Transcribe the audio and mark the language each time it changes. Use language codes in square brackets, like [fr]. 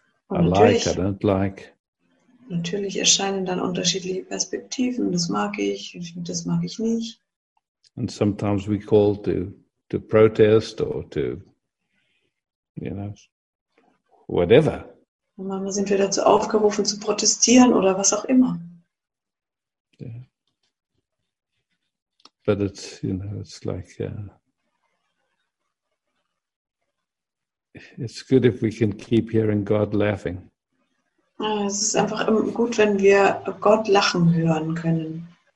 [en] I like, I don't like. [de] Natürlich erscheinen dann unterschiedliche Perspektiven, das mag ich, das mag ich nicht. [en] And sometimes we call to protest or to, you know, whatever. [de] Und manchmal sind wir dazu aufgerufen zu protestieren oder was auch immer. [en] Yeah. But it's, you know, it's like, it's good if we can keep hearing God laughing. [de] Es ist einfach gut, wenn wir Gott lachen hören können.